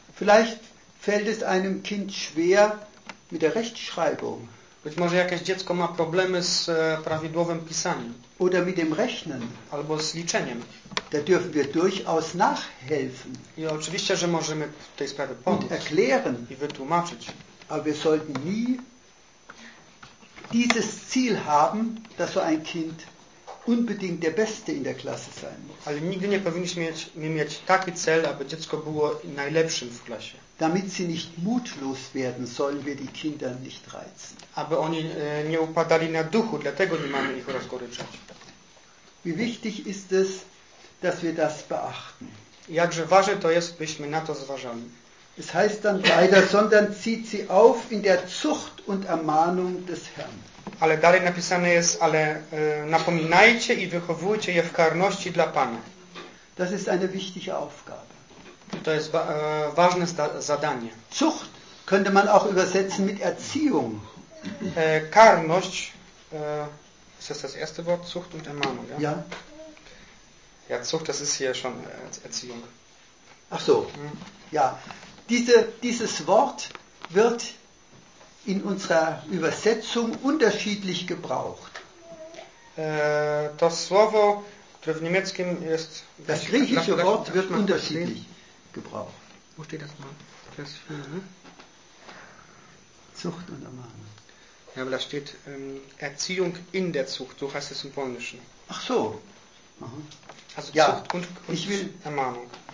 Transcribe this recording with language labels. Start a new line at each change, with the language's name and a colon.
German: Vielleicht fällt es einem Kind schwer mit der Rechtschreibung.
Polish: Być może jakieś dziecko ma problemy z prawidłowym pisaniem.
German: Oder mit dem Rechnen.
Polish: Albo z liczeniem.
German: Da dürfen wir durchaus nachhelfen.
Polish: I oczywiście, że możemy w tej sprawie pomóc.
German: Und erklären.
Polish: I wytłumaczyć.
German: Aber wir sollten nie dieses Ziel haben, dass so ein Kind unbedingt der Beste in der Klasse sein muss.
Polish: Ale nigdy nie powinniśmy mieć taki cel, aby dziecko było najlepszym w klasie.
German: Damit sie nicht mutlos werden, sollen wir die Kinder nicht reizen.
Polish: Aby oni nie upadali na duchu, dlatego nie mamy ich rozgoryczać.
German: Wie wichtig ist es, dass wir das beachten.
Polish: Jakże ważne to jest, byśmy na to zważali.
German: Es heißt dann weiter, sondern zieht sie auf in der Zucht und Ermahnung des Herrn.
Polish: Ale dalej napisane jest, ale napominajcie i wychowujcie je w karności dla Pana.
German: Das ist eine wichtige Aufgabe.
Polish: To jest ważne zadanie.
German: Zucht könnte man auch übersetzen mit Erziehung. Karność, ist das das erste Wort, Zucht und Ermahnung, ja? Ja. Ja, Zucht, das ist hier schon Erziehung. Ach so, ja. Dieses Wort wird in unserer Übersetzung unterschiedlich gebraucht.
Polish: Das Słowo, które w niemieckim jest...
German: Das griechische Wort wird unterschiedlich gebraucht. Wo steht das mal? Vers 4, ne? Zucht und Ermahnung. Ja, aber da steht Erziehung in der Zucht, so heißt es im Polnischen. Ach so. Aha. Also ja, Zucht und Ermahnung.